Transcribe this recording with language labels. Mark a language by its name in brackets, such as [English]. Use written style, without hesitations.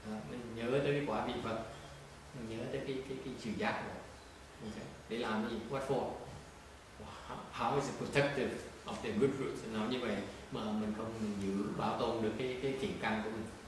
[Vietnamese] Mình nhớ tới cái quả vị Phật, mình nhớ tới cái chữ giác của mình. Okay. Để làm gì? [English] What for? How is it protective of the good roots? [Vietnamese] Nó như vậy mà mình không mình giữ bảo tồn được cái thiện căn của mình.